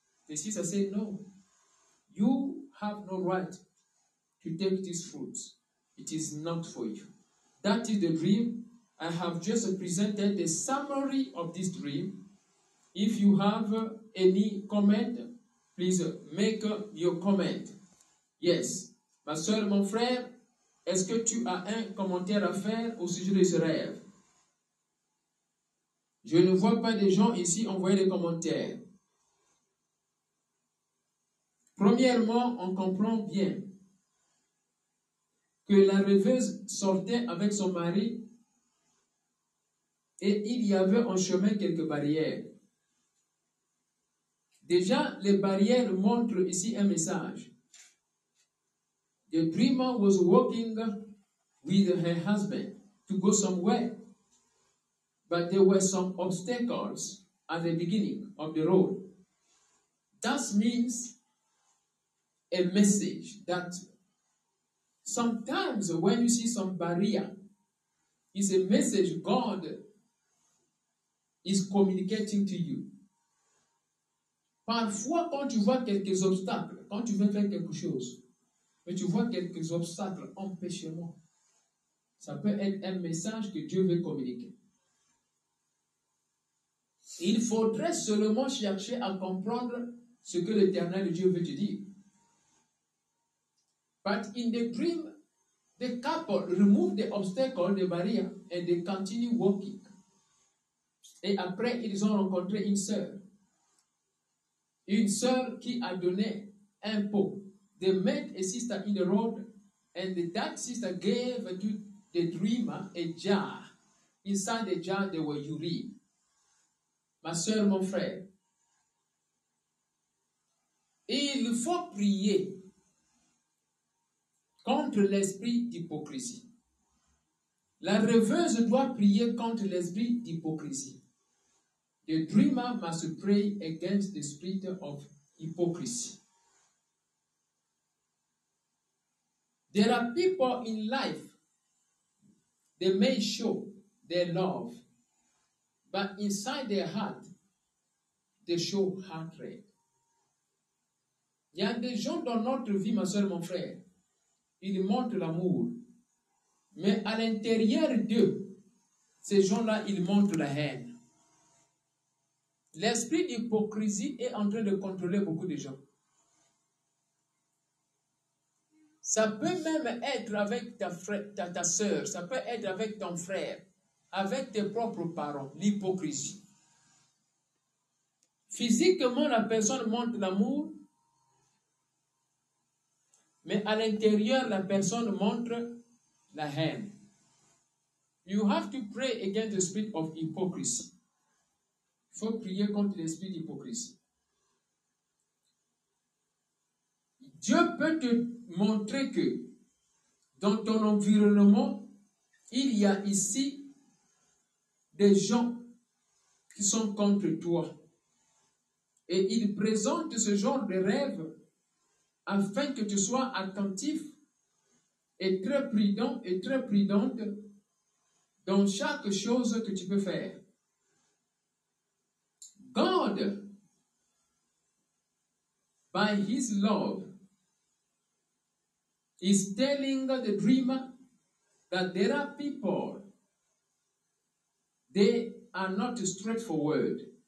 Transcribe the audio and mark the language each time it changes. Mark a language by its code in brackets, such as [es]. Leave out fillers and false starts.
[en] The sister said, no, you have no right to take these fruits. It is not for you. That is the dream. I have just presented the summary of this dream. If you have any comment, please make your comment. Yes. [fr] Ma soeur, mon frère, est-ce que tu as un commentaire à faire au sujet de ce rêve? Je ne vois pas des gens ici envoyer des commentaires. Premièrement, on comprend bien que la rêveuse sortait avec son mari et il y avait en chemin quelques barrières. Déjà, les barrières montrent ici un message. [en] The dreamer was walking with her husband to go somewhere. But there were some obstacles at the beginning of the road. That means a message that Sometimes when you see some barrier, it's a message God is communicating to you. [fr] Parfois, quand tu vois quelques obstacles, quand tu veux faire quelque chose, mais tu vois quelques obstacles, empêche-moi. Ça peut être un message que Dieu veut communiquer. Il faudrait seulement chercher à comprendre ce que l'Éternel Dieu veut te dire. [en] But in the dream, the couple remove the obstacles, the barrier, and they continue walking. [fr] Et après, ils ont rencontré une sœur. Une sœur qui a donné un pot. [en] They met a sister in the road, and that sister gave to the dreamer a jar. Inside the jar, there were urine. [fr] Ma sœur, mon frère, il faut prier contre l'esprit d'hypocrisie. La rêveuse doit prier contre l'esprit d'hypocrisie. [en] The dreamer must pray against the spirit of hypocrisy. There are people in life, they may show their love, but inside their heart, they show hatred. [fr] Il y a des gens dans notre vie, ma soeur, mon frère, ils montrent l'amour, mais à l'intérieur d'eux, ces gens-là, ils montrent la haine. L'esprit d'hypocrisie est en train de contrôler beaucoup de gens. Ça peut même être avec ta soeur, ça peut être avec ton frère, avec tes propres parents, l'hypocrisie. Physiquement, la personne montre l'amour, mais à l'intérieur, la personne montre la haine. [en] You have to pray against the spirit of hypocrisy. [fr] Il faut prier contre l'esprit d'hypocrisie. Dieu peut te montrer que dans ton environnement, il y a ici des gens qui sont contre toi. Et il présente ce genre de rêve afin que tu sois attentif et très prudent et très prudente dans chaque chose que tu peux faire. [en] God, by his love, is telling the dreamer that there are people, they are not straightforward.